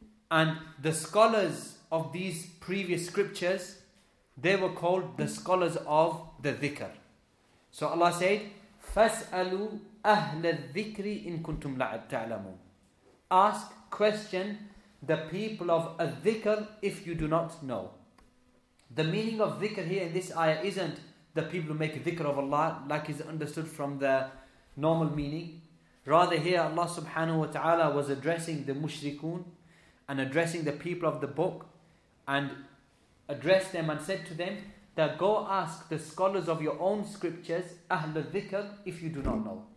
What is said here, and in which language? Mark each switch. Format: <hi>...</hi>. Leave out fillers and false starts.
<en>And the scholars of these previous scriptures, they were called the scholars of the dhikr. So Allah said,</en> <ar>فَاسْأَلُوا أَهْلَ الذِّكْرِ إِن كُنْتُمْ لَعَتَّعْلَمُونَ.</ar> <en>Ask, question the people of a dhikr if you do not know. The meaning of dhikr here in this ayah isn't the people who make dhikr of Allah like is understood from the normal meaning. Rather here Allah subhanahu wa ta'ala was addressing the mushrikun and addressing the people of the book, and addressed them and said to them that go ask the scholars of your own scriptures, Ahl al-Dhikr, if you do not know.</en>